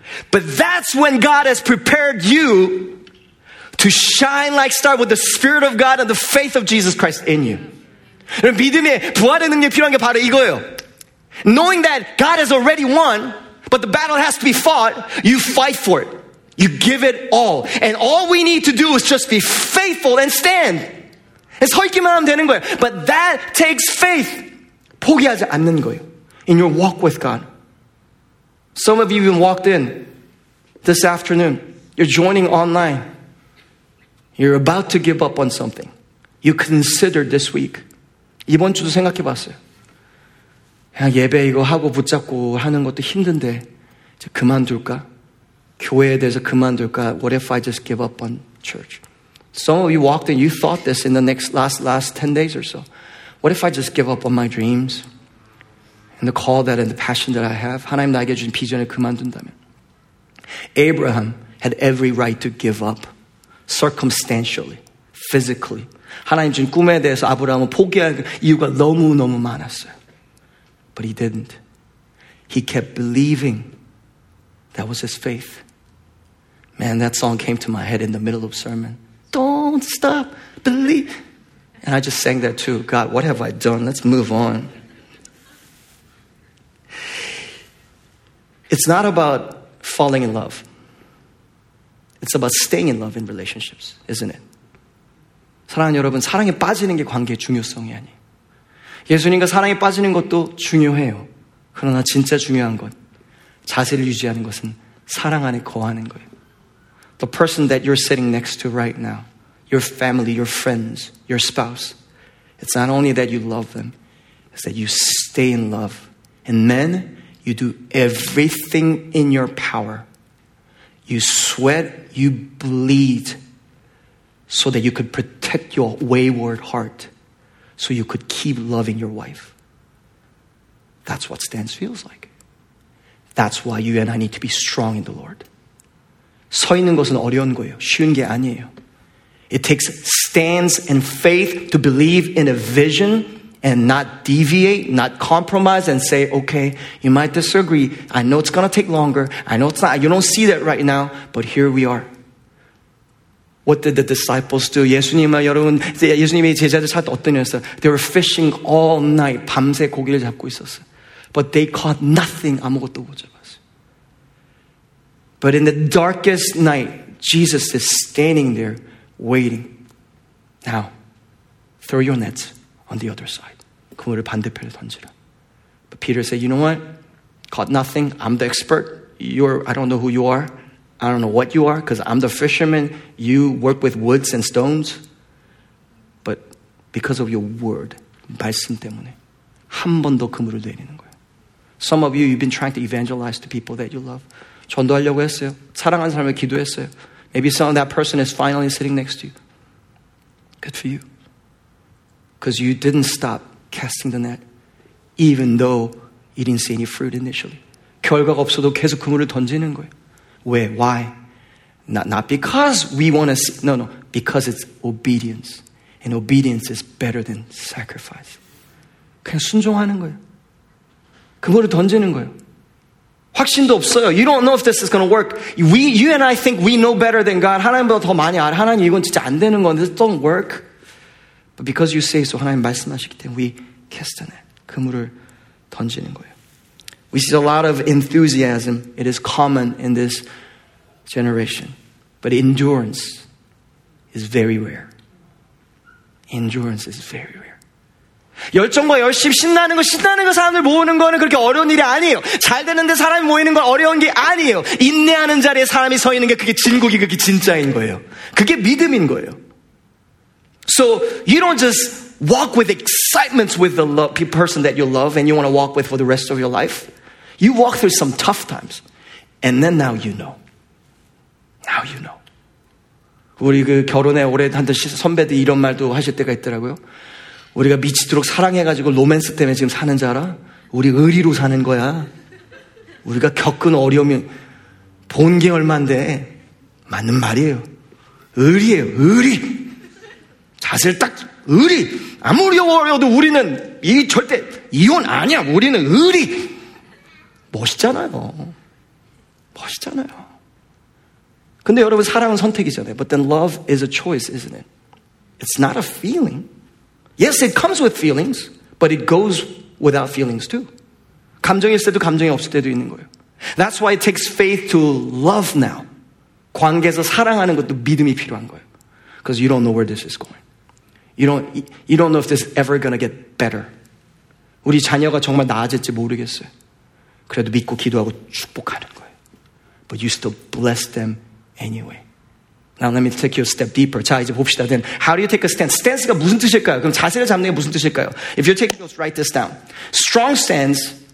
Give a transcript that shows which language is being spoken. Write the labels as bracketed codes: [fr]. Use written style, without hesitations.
[en] But that's when God has prepared you to shine like star with the Spirit of God and the faith of Jesus Christ in you. [ko] 믿음에 부활의 능력이 필요한 게 바로 이거예요. [en] Knowing that God has already won, but the battle has to be fought, you fight for it. You give it all. And all we need to do is just be faithful and stand. [ko] 서 있기만 하면 되는 거예요. [en] But that takes faith. [ko] 포기하지 않는 거예요. [en] In your walk with God. Some of you even walked in this afternoon. You're joining online. You're about to give up on something. You considered this week. [ko] 이번 주도 생각해 봤어요. 예배 이거 하고 붙잡고 하는 것도 힘든데 이제 그만둘까? 교회에 대해서 그만둘까? [en] What if I just give up on church? Some of you walked in, you thought this in the last 10 days or so. What if I just give up on my dreams? And the call that and the passion that I have? 하나님 나에게 주신 비전을 그만둔다면? Abraham had every right to give up circumstantially, physically. [ko] 하나님 주신 꿈에 대해서 아브라함은 포기할 이유가 너무너무 많았어요. [en] But he didn't. He kept believing. That was his faith. Man, that song came to my head in the middle of sermon. Don't stop, believe. And I just sang that too. God, what have I done? Let's move on. It's not about falling in love. It's about staying in love in relationships, isn't it? [ko] 사랑하는 여러분, 사랑에 빠지는 게 관계의 중요성이 아니에요. 예수님과 사랑에 빠지는 것도 중요해요. 그러나 진짜 중요한 건 자세를 유지하는 것은 사랑 안에 거하는 거예요. [en] The person that you're sitting next to right now, your family, your friends, your spouse, it's not only that you love them, it's that you stay in love. And then you do everything in your power. You sweat, you bleed, so that you could protect your wayward heart. So you could keep loving your wife. That's what stance feels like. That's why you and I need to be strong in the Lord. [ko] 서 있는 것은 어려운 거예요. 쉬운 게 아니에요. [en] It takes stance and faith to believe in a vision and not deviate, not compromise and say, okay, you might disagree. I know it's going to take longer. I know it's not. You don't see that right now, but here we are. What did the disciples do? [ko] 예수님아, 여러분, 예수님이 제자들 살 때 어떠냐였어요? [en] They were fishing all night, [ko] 밤새 고기를 잡고 있었어요. [en] But they caught nothing, [ko] 아무것도 못 잡았어요. [en] But in the darkest night, Jesus is standing there, waiting. Now, throw your nets on the other side. [ko] 그물을 반대편에 던지라. [en] But Peter said, you know what? Caught nothing, I'm the expert. I don't know who you are. I don't know what you are, because I'm the fisherman. You work with woods and stones. But because of your word, [ko] 말씀 때문에, 한 번 더 그물을 내리는 거예요. [en] Some of you, you've been trying to evangelize to people that you love. [ko] 전도하려고 했어요. 사랑하는 사람을 기도했어요. [en] Maybe some of that person is finally sitting next to you. Good for you. Because you didn't stop casting the net, even though you didn't see any fruit initially. [ko] 결과가 없어도 계속 그물을 던지는 거예요. [en] Where? Why? Not because we want to see. No. Because it's obedience. And obedience is better than sacrifice. [ko] 그냥 순종하는 거예요. 그거를 던지는 거예요. 확신도 없어요. [en] You don't know if this is going to work. You and I think we know better than God. [ko] 하나님보다 더 많이 알아. 하나님 이건 진짜 안 되는 건데. [en] This don't work. But because you say so, [ko] 하나님 말씀하시기 때문에 [en] we cast the net. [ko] 그물을 던지는 거예요. [en] We see a lot of enthusiasm. It is common in this generation. But endurance is very rare. Endurance is very rare. [ko] 열정과 열심, 신나는 거 사람들 모으는 거는 그렇게 어려운 일이 아니에요. 잘 되는데 사람이 모이는 건 어려운 게 아니에요. 인내하는 자리에 사람이 서 있는 게 그게 진국이, 그게 진짜인 거예요. 그게 믿음인 거예요. [en] So you don't just walk with excitements with the person that you love and you want to walk with for the rest of your life. You walk through some tough times. And then now you know. Now you know. [ko] 우리 그 결혼에 오래한테 선배들 이런 말도 하실 때가 있더라고요. 우리가 미치도록 사랑해가지고 로맨스 때문에 지금 사는 줄 알아? 우리 의리로 사는 거야. 우리가 겪은 어려움이 본 게 얼만데. 맞는 말이에요. 의리예요. 의리. 자세를 딱 의리. 아무리 어려워도 우리는 이 절대 이혼 아니야. 우리는 의리. 멋있잖아요. 근데 여러분 사랑은 선택이잖아요. [en] But then love is a choice, isn't it? It's not a feeling. Yes, it comes with feelings, but it goes without feelings too. [ko] 감정이 있을 때도 감정이 없을 때도 있는 거예요. [en] That's why it takes faith to love now. [ko] 관계에서 사랑하는 것도 믿음이 필요한 거예요. [en] Because you don't know where this is going. You don't know if this is ever going to get better. [ko] 우리 자녀가 정말 나아질지 모르겠어요. 그래도 믿고 기도하고 축복하는 거예요. [en] But you still bless them anyway. Now let me take you a step deeper. [ko] 자, 이제 봅시다. [en] Then how do you take a stance? [ko] Stance가 무슨 뜻일까요? 그럼 자세를 잡는 게 무슨 뜻일까요? [en] If you're taking notes, write this down. Strong stance